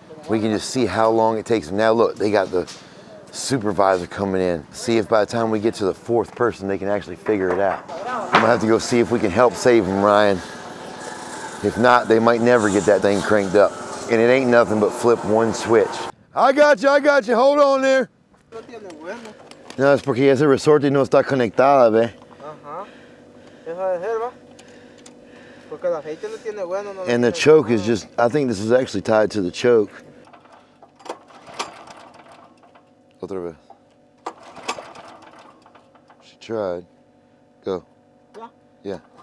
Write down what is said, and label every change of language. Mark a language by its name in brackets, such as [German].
[English] We can just see how long it takes. Now look, they got the supervisor coming in. See if by the time we get to the fourth person, they can actually figure it out. I'm gonna have to go see if we can help save them, Ryan. If not, they might never get that thing cranked up. And it ain't nothing but flip one switch. I got you. Hold on there. [Spanish] No, es porque ese resorte no está conectado, ve. [English] And the choke is just, I think this is actually tied to the choke. [Spanish] otra vez. [English] She tried. Go. Yeah. Yeah.